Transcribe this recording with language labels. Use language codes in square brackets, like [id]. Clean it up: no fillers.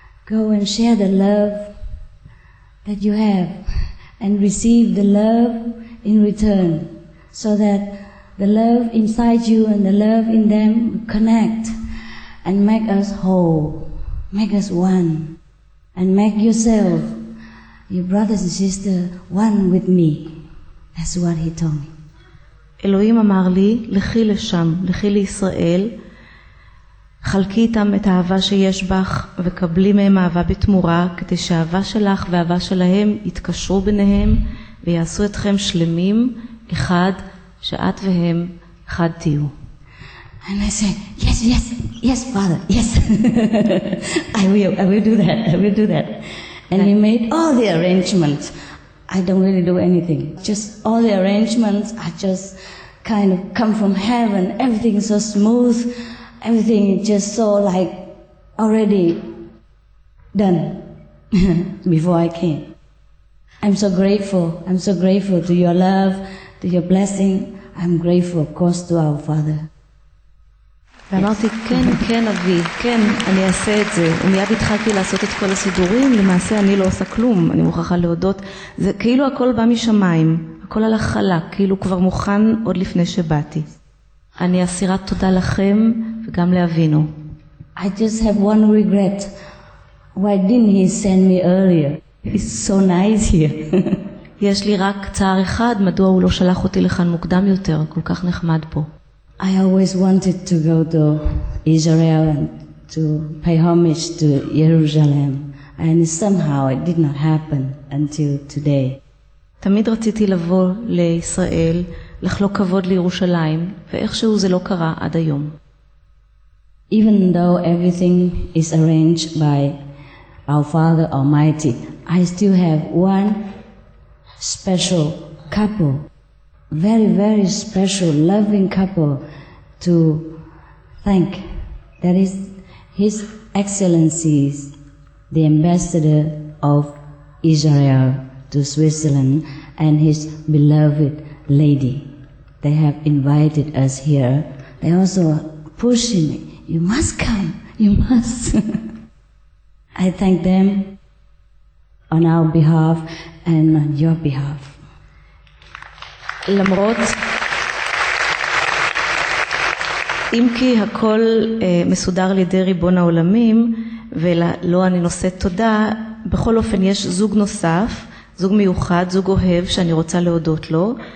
[en] Go and share the love that you have and receive the love in return so that the love inside you and the love in them connect and make us whole, make us one, and make yourself, your brothers and sisters, one with me. That's what he told me. [he] Elohim אמר לי, לכי לשם, לכי לישראל, חלקי איתם את האהבה שיש בך וקבלי מהם אהבה בתמורה, כדי שאהבה שלך ואהבה שלהם יתקשרו ביניהם ויעשו אתכם שלמים אחד, שאת והם אחד תהיו. [en] And I said, yes, yes, yes, father, yes. I will do that, I will do that. And he made all the arrangements. I don't really do anything. Just all the arrangements are just kind of come from heaven. Everything is so smooth. Everything is just so like already done before I came. I'm so grateful. I'm so grateful to your love, to your blessing. I'm grateful, of course, to our Father. [he] ואמרתי, כן, כן, אבי, כן, אני אעשה את זה. ומיד התחלתי לעשות את כל הסידורים, למעשה אני לא עושה כלום, אני מוכרחה להודות. זה כאילו הכל בא משמיים, הכל על החלה, כאילו כבר מוכן עוד לפני שבאתי. אני אסירה תודה לכם, וגם להבינו. [en] I just have one regret. Why didn't he send me earlier? It's so nice here. [he] יש לי רק צער אחד, מדוע הוא לא שלח אותי לכאן מוקדם יותר, כל כך נחמד פה. [en] I always wanted to go to Israel and to pay homage to Jerusalem. And somehow it did not happen until today. [he] תמיד רציתי לבוא לישראל, לחלוק כבוד לירושלים, ואיכשהו זה לא קרה עד היום. [en] Even though everything is arranged by our Father Almighty, I still have one special couple, very, very special, loving couple to thank. That is His Excellency, the Ambassador of Israel to Switzerland, and His beloved lady. They have invited us here. They also pushing me. You must come. You must. I thank them on our behalf and on your behalf. [he] למרות אם כי הכל מסודר לידי ריבון העולמים ולא אני נושאת תודה, בכל אופן יש זוג נוסף, זוג מיוחד, זוג אוהב שאני רוצה להודות לו.